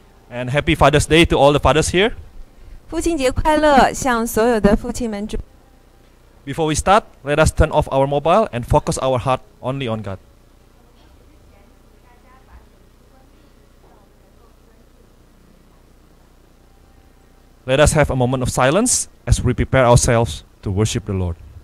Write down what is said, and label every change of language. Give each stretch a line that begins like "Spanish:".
English: And happy Father's Day to all the fathers here.
Chinese: 父亲节快乐，向所有的父亲们祝。
English: Before we start, let us turn off our mobile and focus our heart only on God. Let us have a moment of silence as we prepare ourselves to worship the Lord.